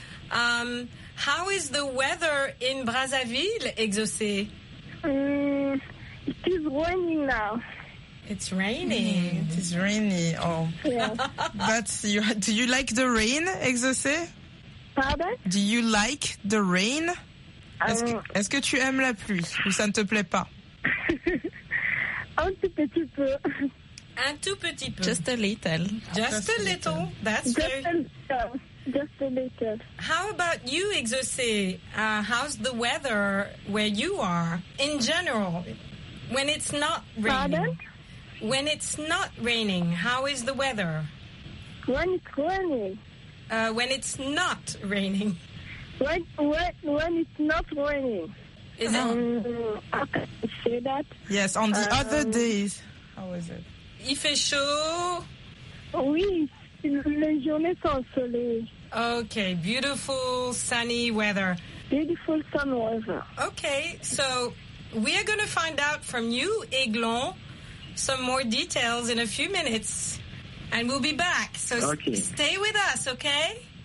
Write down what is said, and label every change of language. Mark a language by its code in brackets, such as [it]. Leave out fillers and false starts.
[en] How is the weather in Brazzaville, exaucé? It is raining now. It's raining. It is rainy. Oh. Yeah. But do you like the rain, exaucé? Pardon? Do you like the rain? [fr] Est-ce que tu aimes la pluie ou ça ne te plaît pas? Un tout petit peu. Un tout petit peu. [en] Just a little. Just a little. That's just very... A little. just a little. How about you, Exaucé? How's the weather where you are in general? When it's not raining? Pardon? When it's not raining, how is the weather? When it's raining. When it's not raining. When it's not raining. Is it? How can I say that? Yes, on the other days. How is it? [fr] Il fait chaud. Oui, les journées sont soleil. [en] Okay, beautiful sunny weather. Beautiful sun weather. Okay, so we are going to find out from you, Aiglon, some more details in a few minutes. And we'll be back. So okay. Stay with us, okay?